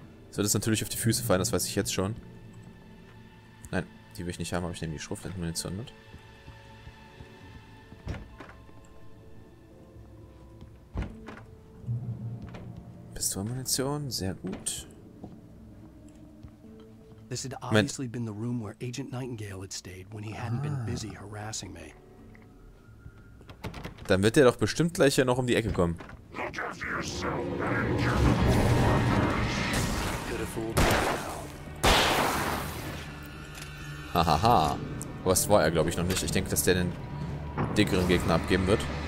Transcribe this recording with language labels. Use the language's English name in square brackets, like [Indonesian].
[German] Soll das natürlich auf die Füße fallen, das weiß ich jetzt schon. Nein, die will ich nicht haben, aber ich nehme die Schrotflintenmunition mit. Pistolenmunition, sehr gut. [English] This had obviously been the room where Agent Nightingale had stayed when he hadn't been busy harassing me. [German] Dann wird er doch bestimmt gleich hier noch um die Ecke kommen. Hahaha. Was war er, glaube ich, noch nicht. Ich denke, dass der den dickeren Gegner abgeben wird.